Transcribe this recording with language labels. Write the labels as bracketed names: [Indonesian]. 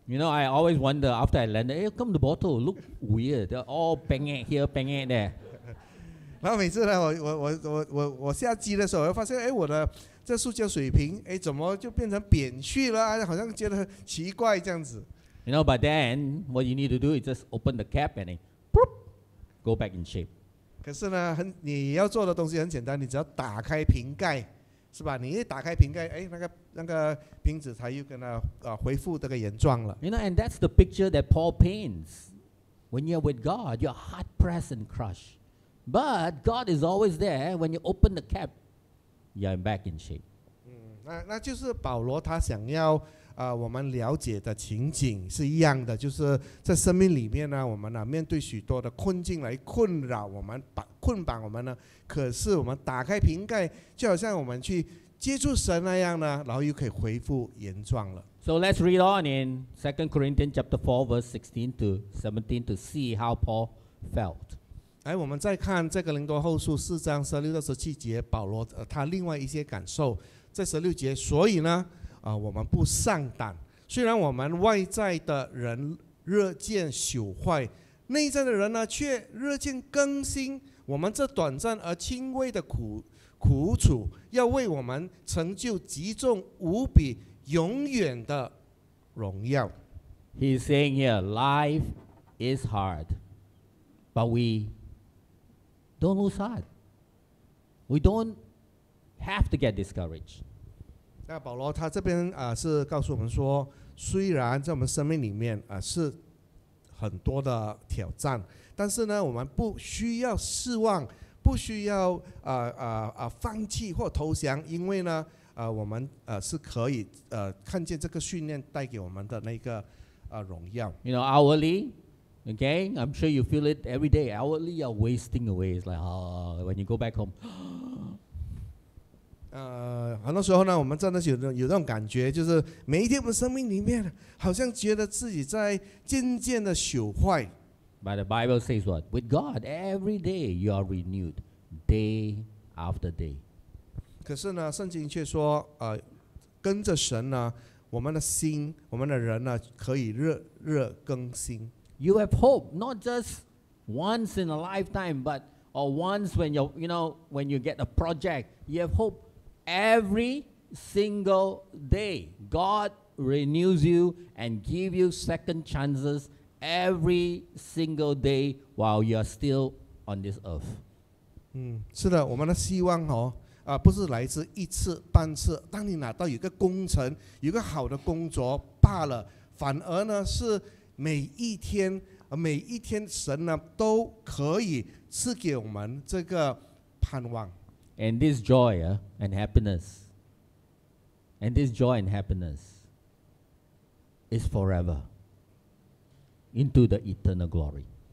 [English] You know, I always wonder after I landed, hey, come the bottle look weird, they're all banging here, banging there. [Chinese] 然后每次呢，我下机的时候，我会发现，我的这塑胶水瓶，怎么就变成扁去了？好像觉得奇怪这样子。 [English] You know, but then what you need to do is just open the cap and then, boop, go back in shape. [Chinese] 可是呢，你要做的东西很简单，你只要打开瓶盖，是吧？你一打开瓶盖，那个瓶子它又跟它恢复这个原状了。 [English] You know, and that's the picture that Paul paints. When you're with God, you're hard pressed and crushed. But God is always there when you open the cap. You're back in shape. [Chinese] 那就是保罗他想要我们了解的情景是一样的，就是在生命里面呢，我们呢面对许多的困境来困扰我们，捆绑我们呢。可是我们打开瓶盖，就好像我们去接触神那样呢，然后又可以恢复原状了。 [English] So let's read on in 2 Corinthians chapter 4 verse 16 to 17 to see how Paul felt. [Chinese] 我们再看这个林多后书四章十六到十七节，保罗他另外一些感受，在十六节，所以呢，我们不丧胆，虽然我们外在的人日渐朽坏，内在的人呢却日渐更新。我们这短暂而轻微的苦楚，要为我们成就极重无比永远的荣耀。 [English] He's saying here, life is hard, but we. Don't lose heart. We don't have to get discouraged. [Chinese] 那保罗他这边是告诉我们说，虽然在我们生命里面是很多的挑战，但是呢，我们不需要失望，不需要放弃或投降，因为呢，我们是可以看见这个训练带给我们的那个荣耀。 [English] You know, hourly. Okay, I'm sure you feel it every day. Hourly, you're wasting away. It's like, when you go back home. [Chinese] 很多时候呢，我们真的有那种感觉，就是每一天我们生命里面，好像觉得自己在渐渐的朽坏。 [English] But the Bible says what? With God, every day you are renewed, day after day. [Chinese] 可是呢，圣经却说，跟着神呢，我们的心，我们的人呢，可以日日更新。 [English] You have hope, not just once in a lifetime, but or once when you're, you know, when you get a project, you have hope every single day. God renews you and give you second chances every single day while you're still on this earth. [Chinese] 是的，我们的希望哦。不是来自一次半次，当你拿到一个工程，有个好的工作罢了，反而呢是每一天，每一天神呢都可以赐给我们这个盼望。And [English] this joy, and happiness, and this joy and happiness is forever into the eternal glory.